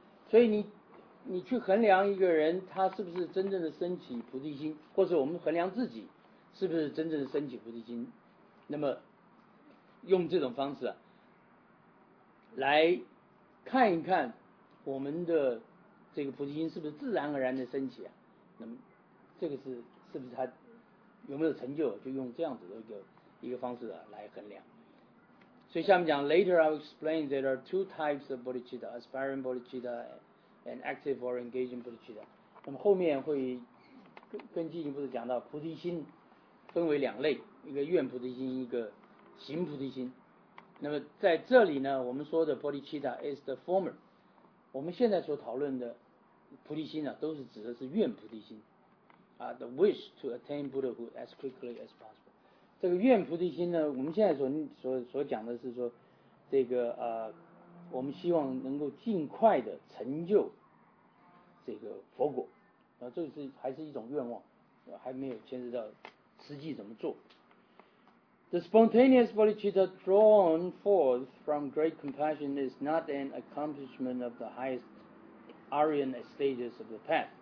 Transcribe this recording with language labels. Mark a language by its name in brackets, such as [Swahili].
[Chinese] 所以你去衡量一个人他是不是真正的升起菩提心，或是我们衡量自己是不是真正的升起菩提心，那么用这种方式啊，来看一看我们的这个菩提心是不是自然而然的升起啊，那么这个是不是他有没有成就，就用这样子的一个方式啊来衡量。所以下面讲 [English] Later I'll explain there are two types of bodhicitta, aspiring bodhicitta and active or engaging bodhicitta。 [Chinese] 那么后面会更进一步的讲到菩提心分为两类，一个愿菩提心，一个行菩提心。那么在这里呢，我们说的 [English] bodhicitta is the former， [Chinese] 我们现在所讨论的菩提心呢，都是指的是愿菩提心啊， [English] the wish to attain Buddhahood as quickly as possible。 [Chinese] 这个愿菩提心呢，我们现在所讲的是说这个我们希望能够尽快的成就这个佛果，啊，这是还是一种愿望，还没有牵涉到实际怎么做。 [English] The spontaneous bodhicitta drawn forth from great compassion is not an accomplishment of the highest Aryan stages of the path。